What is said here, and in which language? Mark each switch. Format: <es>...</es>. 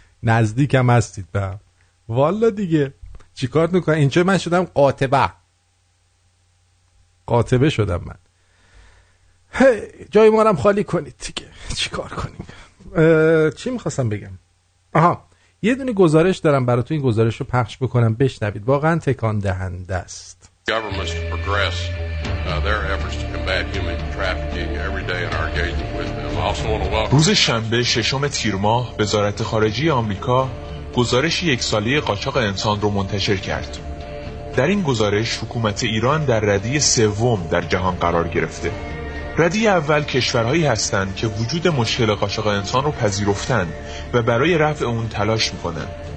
<fa>نزدیکم هستید به هم. والا دیگه چیکار میکنم؟ اینجا من شدم قاطبه. قاطبه شدم من. جای ما رو هم خالی کنید دیگه. چیکار کنیم؟ چی میخواستم بگم؟ آها. یه دونه گزارش دارم براتون، این گزارش رو پخش بکنم بشنوید. واقعا تکان دهنده است.</fa> <en>Governments to progress their efforts to combat human trafficking every day in our engagement with them. I also want to welcome.</en> <fa>روز شنبه ششم تیر ماه وزارت خارجه آمریکا گزارش یک سالی قاچاق انسان را منتشر کرد. در این گزارش حکومت ایران در رده سوم در جهان قرار گرفته. رده اول کشورهایی هستند که وجود مشکل قاچاق انسان را پذیرفتند و برای رفع اون تلاش می‌کنند.</fa>